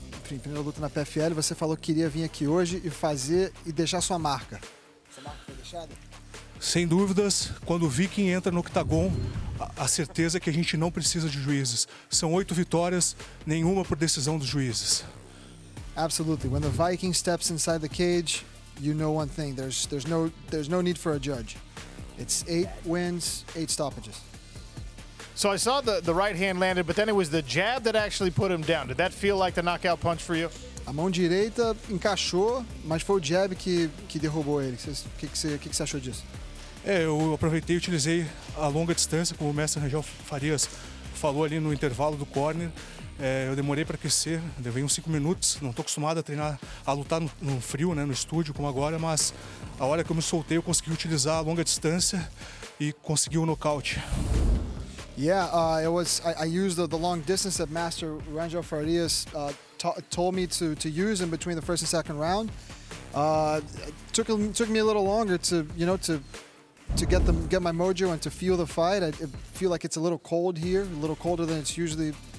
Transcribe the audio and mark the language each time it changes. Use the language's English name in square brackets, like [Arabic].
[Portuguese] Em primeira luta na PFL, você falou que queria vir aqui hoje e fazer e deixar sua marca. Sua marca foi deixada? Sem dúvidas, quando o Viking entra no octagon, a certeza é que a gente não precisa de juízes. São 8 vitórias, nenhuma por decisão dos juízes. [English] Absolutely. When the Viking steps inside the cage, you know one thing. There's no need for a judge. It's 8 wins, 8 stoppages. So I saw the right hand landed, but then it was the jab that actually put him down. Did that feel like the knockout punch for you? [Portuguese] A mão direita encaixou, mas foi o jab que derrubou ele. O que você achou disso? Eu aproveitei e utilizei a longa distância, como o mestre Rangel Farias falou ali no intervalo do corner. Eu demorei para aquecer, levei uns 5 minutos. Não estou acostumado a treinar, a lutar no frio, né, no estúdio, como agora, mas a hora que eu me soltei, eu consegui utilizar a longa distância e consegui o nocaute. [English] Yeah, it was. I used the long distance that Master Rangel Farias told me to use in between the first and second round. It took me a little longer to, you know, to get my mojo and to feel the fight. I feel like it's a little cold here, a little colder than it's usually.